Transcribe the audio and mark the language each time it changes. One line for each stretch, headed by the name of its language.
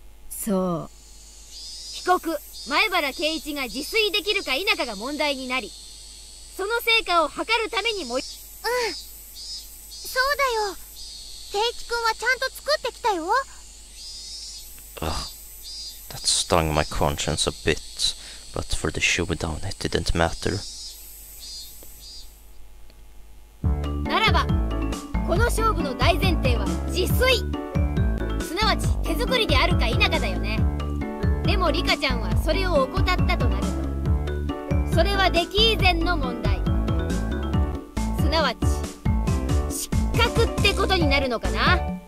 Japanese: そう。被告、前原圭一が自炊できるか否かが問題になり、その成果を測るためにも… うん、そうだよ、圭一君はちゃんと作ってきたよ。
English: That stung my conscience a bit, but for the showdown it didn't matter.
Japanese: ならば、この勝負の大前提は自炊、すなわち手作りであるか否かだよね。でもリカちゃんはそれを怠ったとなると、それは出来以前の問題、すなわち失格ってことになるのかな。